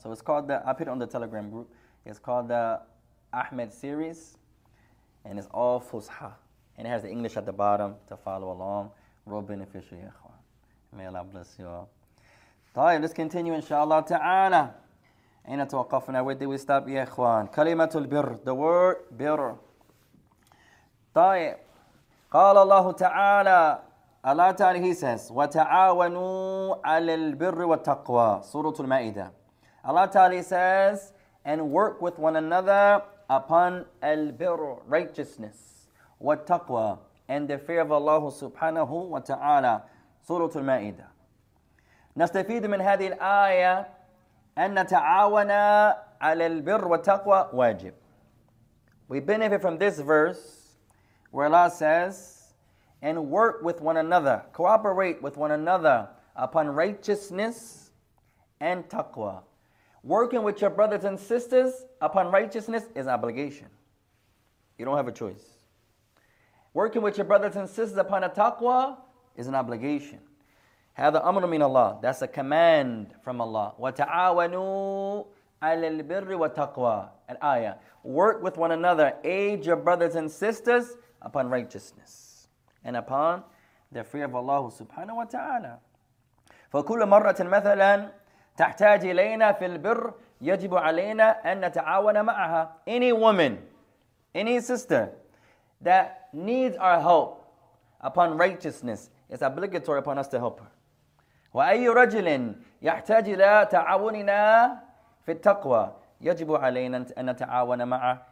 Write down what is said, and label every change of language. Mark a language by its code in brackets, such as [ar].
[en] So it's called I put it on the Telegram group. It's called the Ahmed series, and it's all fusha. And it has the English at the bottom to follow along. Real beneficial, ya khwan. May Allah bless you all. طيب, let's continue, inshallah ta'ala. [ar] Aina tawqafna, [en] where did we stop, ya khwan? Kalimatul birr, the word birr. [ar] طيب, قال الله تعالى, [en] Allah ta'ala, he says, [ar] وَتَعَاوَنُوا عَلَى الْبِرِّ وَالتَّقْوَى, Suratul Ma'idah. [en] Allah ta'ala says, and work with one another upon al-birr, righteousness, [ar] وَالتَّقْوَى, [en] and the fear of Allah subhanahu wa ta'ala, Suratul Ma'idah. [ar] نستفيد من هذه الآية أن تعاونا على البر والتقوى واجب. [en] We benefit from this verse where Allah says, and work with one another, cooperate with one another upon righteousness and taqwa. Working with your brothers and sisters upon righteousness is obligation. You don't have a choice. Working with your brothers and sisters upon a taqwa is an obligation. [ar] هذا أمر من الله. [en] That's a command from Allah. [ar] وتعاونوا على البر والتقوى. [en] An ayah. Work with one another. Aid your brothers and sisters upon righteousness and upon the fear of Allah subhanahu wa ta'ala. [ar] فكل مرة مثلا تحتاج إلينا في البر يجب علينا أن نتعاون معها. [en] Any woman, any sister that needs our help upon righteousness, it's obligatory upon us to help her. [ar] وَأَيُّ رَجْلٍ يَحْتَاجِ لَا تَعَوُنِنَا فِي التَّقْوَى يَجِبُ عَلَيْنَا أَن نَتَعَوَنَ مَعَ.